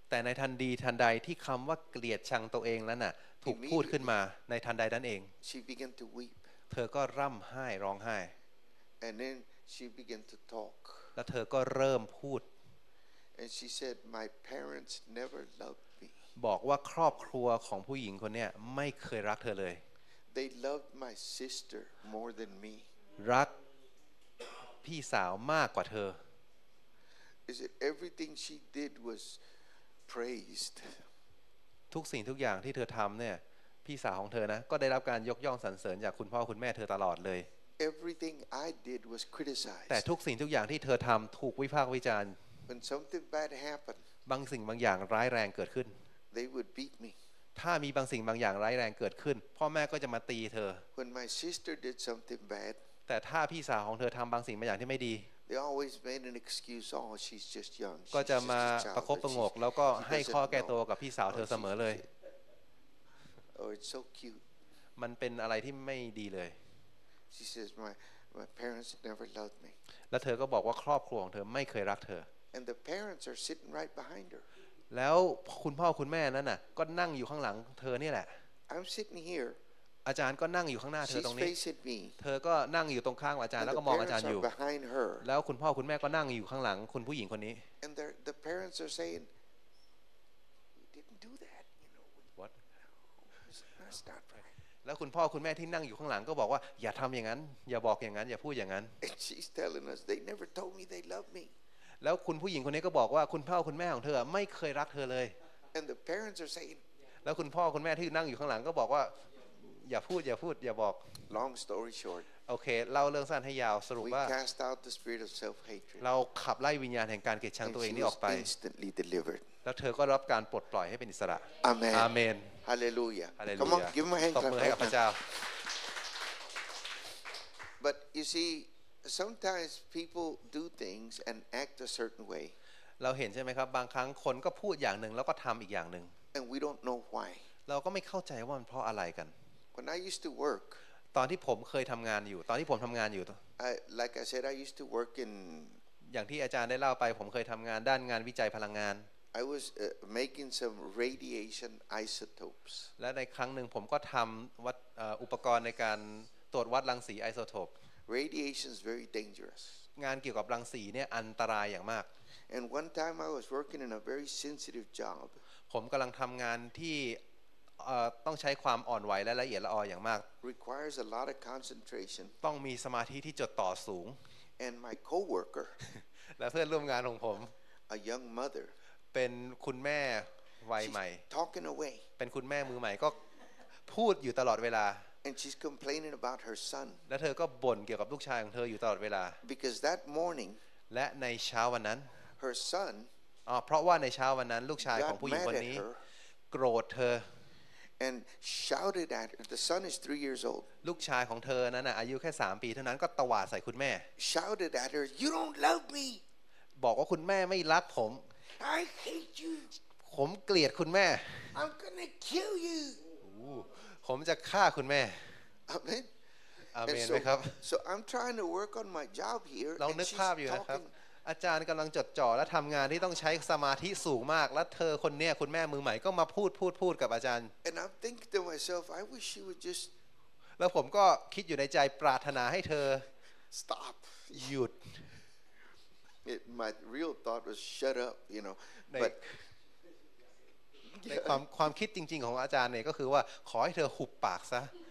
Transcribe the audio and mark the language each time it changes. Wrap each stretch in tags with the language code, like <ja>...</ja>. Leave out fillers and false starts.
<th>แต่ในทันทีทันใดที่คำว่าเกลียดชังตัวเองนั้นน่ะถูกพูดขึ้นมาในทันใดนั้นเอง</th> <en>She began to weep.</en> <th>เธอก็ร่ำไห้ร้องไห้</th> <en>And then she began to talk.</en> <th>แล้วเธอก็เริ่มพูด</th> <en>And she said, "My parents never loved me."</en> <th>บอกว่าครอบครัวของผู้หญิงคนนี้ไม่เคยรักเธอเลย</th> <en>They loved my sister more than me.</en> <th>รักพี่สาวมากกว่าเธอ</th> <en>Is it everything she did was praised</en> <th>ทุกสิ่งทุกอย่างที่เธอทำเนี่ยพี่สาวของเธอนะก็ได้รับการยกย่องสรรเสริญจากคุณพ่อคุณแม่เธอตลอดเลย</th> <en>Everything I did was criticized</en> <th>แต่ทุกสิ่งทุกอย่างที่เธอทำถูกวิพากษ์วิจารณ์</th> <en>When something bad happened</en> <th>บางสิ่งบางอย่างร้ายแรงเกิดขึ้น</th> <en>They would beat me</en> <th>ถ้ามีบางสิ่งบางอย่างร้ายแรงเกิดขึ้นพ่อแม่ก็จะมาตีเธอ</th> <en>When my sister did something bad</en> <th>แต่ถ้าพี่สาวของเธอทำบางสิ่งบางอย่างที่ไม่ดี</th> <en>They always made an excuse, oh, she's just young.</en> <th>ก็จะมาประคบประงกแล้วก็ให้ข้อแก้ตัวกับพี่สาวเธอเสมอเลย</th> <en>Oh, it's so cute.</en> <th>มันเป็นอะไรที่ไม่ดีเลย</th> <en>She says, my parents never loved me.</en> <th>และเธอก็บอกว่าครอบครัวของเธอไม่เคยรักเธอ</th> <en>And the parents are sitting right behind her.</en> <th>แล้วคุณพ่อคุณแม่นั้นน่ะก็นั่งอยู่ข้างหลังเธอนี่แหละ</th> <en>I'm sitting here.</en> <th>อาจารย์ก็นั่งอยู่ข้างหน้าเธอตรงนี้ เธอก็นั่งอยู่ตรงข้างอาจารย์แล้วก็มองอาจารย์อยู่ แล้วคุณพ่อคุณแม่ก็นั่งอยู่ข้างหลังคุณผู้หญิงคนนี้</th> <en>And the parents are saying you didn't do that you know what let's start right</en> <th>แล้วคุณพ่อคุณแม่ที่นั่งอยู่ข้างหลังก็บอกว่าอย่าทำอย่างนั้นอย่าบอกอย่างนั้นอย่าพูดอย่างนั้น</th> <en>She's telling us they never told me they loved me</en> <th>แล้วคุณผู้หญิงคนนี้ก็บอกว่าคุณพ่อคุณแม่ของเธอไม่เคยรักเธอเลย</th> <en>And the parents are saying</en> <th>แล้วคุณพ่อคุณแม่ที่นั่งอยู่ข้างหลังก็บอกว่าอย่าพูดอย่าพูดอย่าบอก</th> <en>Long story short</en> <th>โอเคเล่าเรื่องสั้นให้ยาวสรุปว่า</th> <en>We cast out the spirit of self-hatred</en> <th>เราขับไล่วิญญาณแห่งการเกลียดชังตัวเองนี่ออกไป</th> <en>Instantly delivered</en> <th>แล้วเธอก็รับการปลดปล่อยให้เป็นอิสระ</th> <en>Amen Amen Hallelujah Hallelujah Come on give my hand</en> <th>ขอบมือให้กับพระเจ้า</th> <en>But you see sometimes people do things and act a certain way</en> <th>เราเห็นใช่ไหมครับบางครั้งคนก็พูดอย่างนึงแล้วก็ทำอีกอย่างนึง</th> <en>And we don't know why</en> <th>เราก็ไม่เข้าใจว่ามันเพราะอะไรกัน</th> <en>When I used to work,</en> <th>ตอนที่ผมเคยทำงานอยู่ตอนที่ผมทำงานอยู่</th> <en>like I said, I used to work in.</en> <th>อย่างที่อาจารย์ได้เล่าไปผมเคยทำงานด้านงานวิจัยพลังงาน</th> <en>I was making some radiation isotopes.</en> <th>และในครั้งหนึ่งผมก็ทำวัดอุปกรณ์ในการตรวจวัดรังสีไอโซโทป</th> <en>Radiation is very dangerous.</en> <th>งานเกี่ยวกับรังสีเนี่ยอันตรายอย่างมาก</th> <en>And one time I was working in a very sensitive job.</en> <th>ผมกำลังทำงานที่ต้องใช้ความอ่อนไหวและละเอียดละอออย่างมาก</th> <en>requires a lot of concentration</en> <th>ต้องมีสมาธิที่จดต่อสูง</th> <en>and my coworker</en> <th>และเพื่อนร่วมงานของผม</th> <en>a young mother</en> <th>เป็นคุณแม่วัยใหม่</th> <en>talking away</en> <th>เป็นคุณแม่มือใหม่ก็พูดอยู่ตลอดเวลา</th> <en>and she's complaining about her son</en> <th>และเธอก็บ่นเกี่ยวกับลูกชายของเธออยู่ตลอดเวลา</th> <en>because that morning</en> <th>และในเช้าวันนั้น</th> <en>her son</en> <th>เพราะว่าในเช้าวันนั้นลูกชายของผู้หญิงคนนี้โกรธเธอ</th> <en>And shouted at her. The son is 3 years old.</en> <th>ลูกชายของเธอนั้นน่ะอายุแค่3 ปีเท่านั้นก็ตวาดใส่คุณแม่</th> <en>Shouted at her. You don't love me.</en> <th>บอกว่าคุณแม่ไม่รักผม</th> <en>I hate you.</en> <th>ผมเกลียดคุณแม่</th> <en>I'm gonna kill you.</en> <th>ผมจะฆ่าคุณแม่</th> <en>Amen.</en> <th>Amen. นะครับ</th> <en>So I'm trying to work on my job here.</en> <th>เรานึกภาพอยู่นะครับอาจารย์กำลังจดจ่อและทำงานที่ต้องใช้สมาธิสูงมากและเธอคนนี้คุณแม่มือใหม่ก็มาพูดกับอาจารย์</th> <en>And I'm thinking to myself, I wish she would just</en> <th>แล้วผมก็คิดอยู่ในใจปรารถนาให้เธอ</th> <en>Stop</en> <th>หยุด</th> <en>it, my real thought was shut up, you know.</en> <th>But ความคิดจริงๆของอาจารย์เนี่ยก็คือว่าขอให้เธอหุบปากซะ</th>